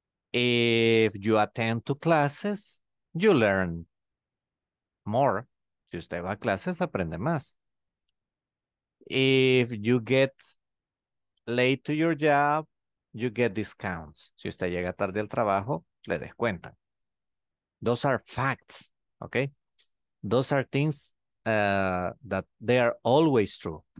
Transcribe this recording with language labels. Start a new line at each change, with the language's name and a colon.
English: If you attend to classes, you learn more.
Spanish: Si usted va a clases, aprende más.
English: If you get late to your job, you get discounts.
Spanish: Si usted llega tarde al trabajo, le descuentan.
English: Those are facts, okay? Those are things that they are always true.